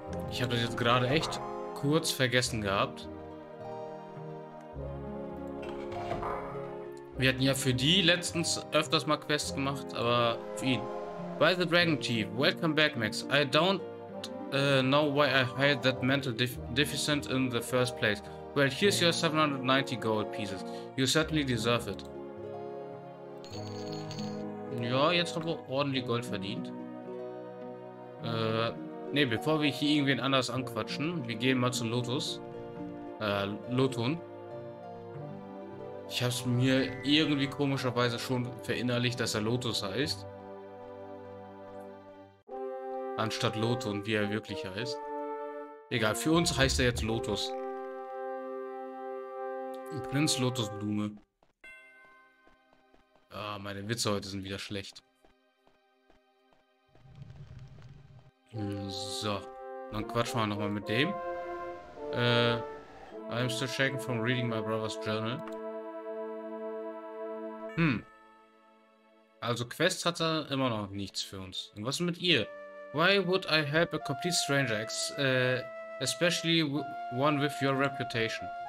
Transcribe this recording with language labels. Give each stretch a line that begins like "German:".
German: Ich habe das jetzt gerade echt kurz vergessen gehabt. Wir hatten ja für die letztens öfters mal Quests gemacht, aber für ihn.
English: By the Dragon Chief, welcome back, Max. I don't know why I had that mental deficit in the first place. Well, here's your 790 gold pieces. You certainly deserve it.
German: Ja, jetzt haben wir ordentlich Gold verdient. Ne, bevor wir hier irgendwen anders anquatschen, wir gehen mal zu Lotus. Lotun. Ich hab's mir irgendwie komischerweise schon verinnerlicht, dass er Lotus heißt. Anstatt Lotun, wie er wirklich heißt. Egal, für uns heißt er jetzt Lotus. Prinz Lotusblume. Ah, meine Witze heute sind wieder schlecht. So, dann quatschen wir nochmal mit dem.
English: I'm still shaken from reading my brother's journal.
German: Also Quests hat er immer noch nichts für uns. Und was ist mit ihr?
English: Why would I help a complete stranger, especially one with your reputation?